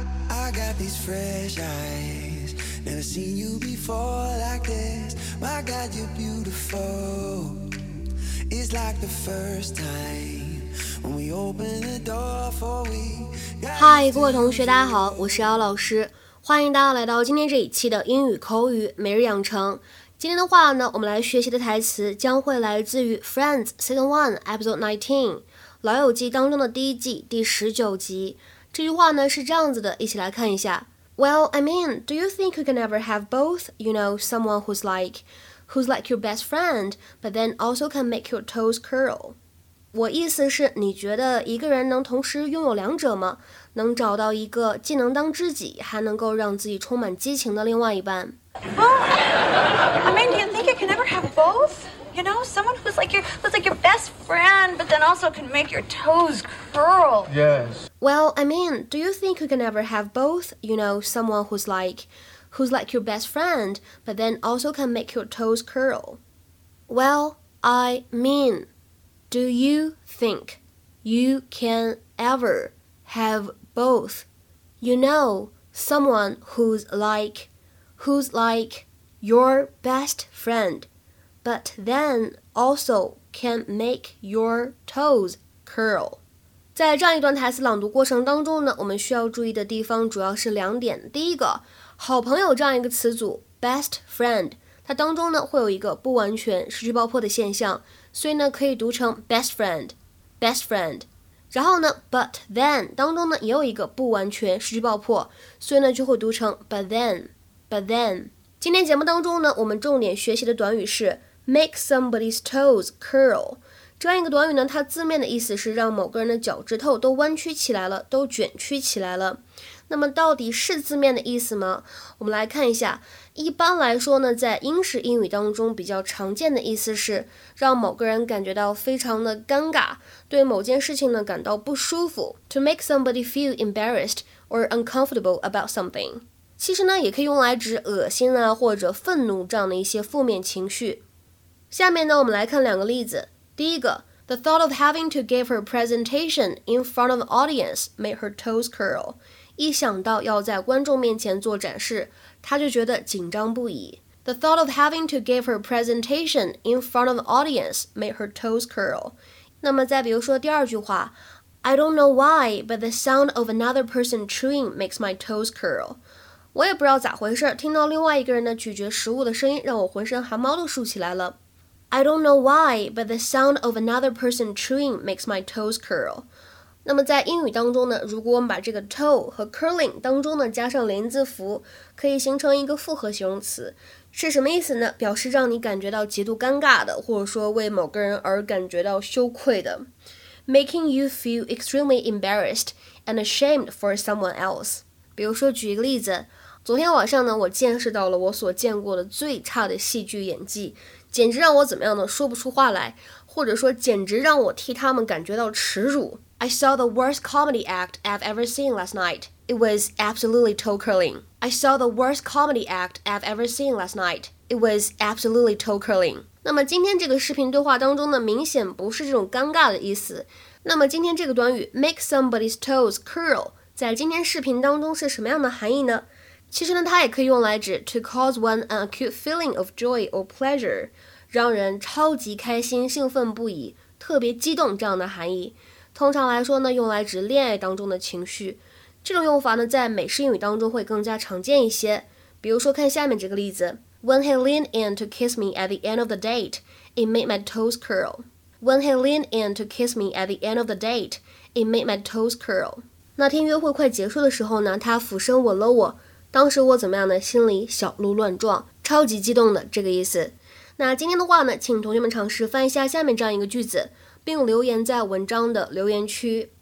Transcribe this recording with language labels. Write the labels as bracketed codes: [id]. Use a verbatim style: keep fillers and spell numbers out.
[en] I got these fresh eyes, never seen you before like this. My God, you're beautiful. It's like the first time when we open the door for we. [zh] 嗨，各位同学，大家好，我是姚老师，欢迎大家来到今天这一期的英语口语每日养成。今天的话呢，我们来学习的台词将会来自于 Friends Season one Episode nineteen 老友记当中的第一季第十九集。这句话呢是这样子的，一起来看一下。 [en] Well, I mean, do you think you can ever have both? You know, someone who's like, who's like your best friend, but then also can make your toes curl. [zh] 我意思是，你觉得一个人能同时拥有两者吗？能找到一个既能当知己，还能够让自己充满激情的另外一半。 [en] Well, I mean, do you think you can ever have both? You know, someone who's like your, who's like your best friend, but then also can make your toes curl. Yes. Well, I mean, do you think you can ever have both? You know, someone who's like, who's like your best friend, but then also can make your toes curl. Well, I mean, do you think you can ever have both? You know, someone who's like, who's like your best friend, but then also can make your toes curl. [zh] 在这样一段台词朗读过程当中呢，我们需要注意的地方主要是两点。第一个，好朋友这样一个词组 best friend， 它当中呢会有一个不完全失去爆破的现象，所以呢可以读成 best friend best friend。然后呢 but then 当中呢也有一个不完全失去爆破，所以呢就会读成 but then but then。今天节目当中呢，我们重点学习的短语是 make somebody's toes curl。这样一个短语呢，它字面的意思是让某个人的脚趾头都弯曲起来了，都卷曲起来了。那么到底是字面的意思吗？我们来看一下。一般来说呢，在英式英语当中比较常见的意思是让某个人感觉到非常的尴尬，对某件事情呢感到不舒服。 [en] To make somebody feel embarrassed or uncomfortable about something。 [zh] 其实呢，也可以用来指恶心啊或者愤怒这样的一些负面情绪。下面呢，我们来看两个例子。 [en] 第一个 The thought of having to give her presentation in front of an audience made her toes curl. [zh] 一想到要在观众面前做展示，她就觉得紧张不已。 [en] The thought of having to give her presentation in front of an audience made her toes curl. [zh] 那么再比如说第二句话 [en] I don't know why, but the sound of another person chewing makes my toes curl. [zh] 我也不知道咋回事，听到另外一个人的咀嚼食物的声音，让我浑身汗毛都竖起来了。 [en] I don't know why, but the sound of another person chewing makes my toes curl. [zh] 那么在英语当中呢，如果我们把这个 toe 和 curling 当中呢加上连字符，可以形成一个复合形容词。是什么意思呢？表示让你感觉到极度尴尬的，或者说为某个人而感觉到羞愧的。 [en] Making you feel extremely embarrassed and ashamed for someone else. [zh] 比如说举一个例子，昨天晚上呢，我见识到了我所见过的最差的戏剧演技。简直让我怎么样呢？说不出话来，或者说简直让我替他们感觉到耻辱。 [en] I saw the worst comedy act I've ever seen last night. It was absolutely toe curling. I saw the worst comedy act I've ever seen last night. It was absolutely toe curling. [zh] 那么今天这个视频对话当中呢，明显不是这种尴尬的意思。那么今天这个短语 make somebody's toes curl 在今天视频当中是什么样的含义呢？其实呢，它也可以用来指 [en] to cause one an acute feeling of joy or pleasure， [zh] 让人超级开心、兴奋不已、特别激动这样的含义。通常来说呢，用来指恋爱当中的情绪。这种用法呢，在美式英语当中会更加常见一些。比如说，看下面这个例子 [en] ：When he leaned in to kiss me at the end of the date, it made my toes curl. When he leaned in to kiss me at the end of the date, it made my toes curl. [zh] 那天约会快结束的时候呢，他俯身吻了我。当时我怎么样呢？心里小鹿乱撞，超级激动的这个意思。那今天的话呢，请同学们尝试翻一下下面这样一个句子，并留言在文章的留言区。